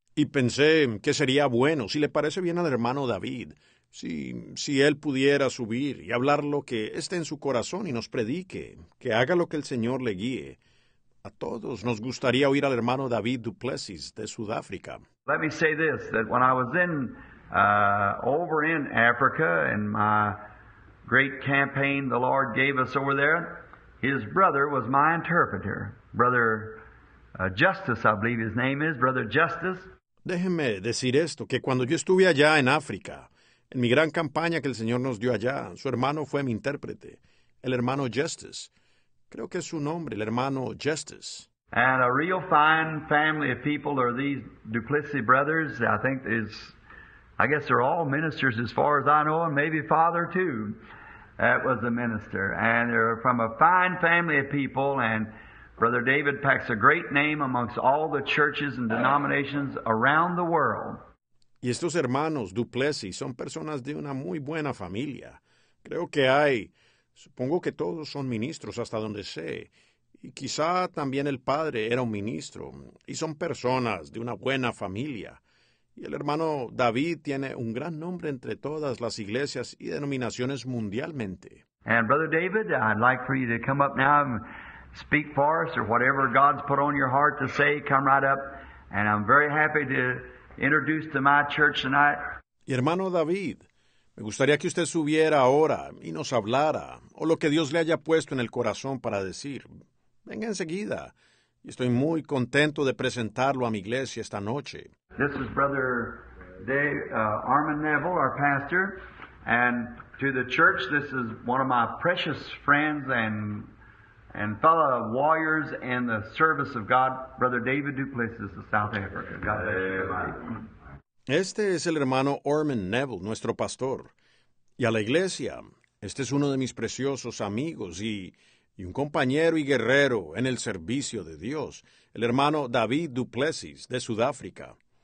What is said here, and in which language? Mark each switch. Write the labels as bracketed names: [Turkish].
[Spanish] Y pensé que sería bueno, si le parece bien al hermano David, si él pudiera subir y hablar lo que esté en su corazón y nos predique, que haga lo que el Señor le guíe. A todos nos gustaría oír al hermano David Duplessis de Sudáfrica. [English] Let me say this, that when I was in over in Africa in my great campaign the Lord gave us over there, his brother was my interpreter. Brother Justice, I believe his name is, Brother Justice. [Spanish] Déjeme decir esto, que cuando yo estuve allá en África, en mi gran campaña que el Señor nos dio allá, su hermano fue mi intérprete, el hermano Justice. Creo que es su nombre, el hermano Justice. [English] And a real fine family of people are these Duplessis brothers. I think is, I guess they're all ministers as far as I know, and maybe father too. That was a minister. And they're from a fine family of people, and Brother David packs a great name amongst all the churches and denominations around the world. [Spanish] Y estos hermanos Duplessis son personas de una muy buena familia. Creo que hay, supongo que todos son ministros hasta donde sé. Y quizá también el padre era un ministro. Y son personas de una buena familia. Y el hermano David tiene un gran nombre entre todas las iglesias y denominaciones mundialmente. [English] And Brother David, I'd like for you to come up now and speak for us, or whatever God's put on your heart to say, come right up. And I'm very happy to introduce to my church tonight. [Spanish] Y hermano David, me gustaría que usted subiera ahora y nos hablara, o lo que Dios le haya puesto en el corazón para decir. Venga enseguida. Estoy muy contento de presentarlo a mi iglesia esta noche. [English] This is Brother Dave, Armin Neville, our pastor. And to the church, this is one of my precious friends and fellow warriors in the service of God, Brother David Duplessis of South Africa. God bless you. [Spanish] Este es el hermano Armin Neville, nuestro pastor. Y a la iglesia, este es uno de mis preciosos amigos y un compañero y guerrero en el servicio de Dios, el hermano David Duplessis de Sudáfrica.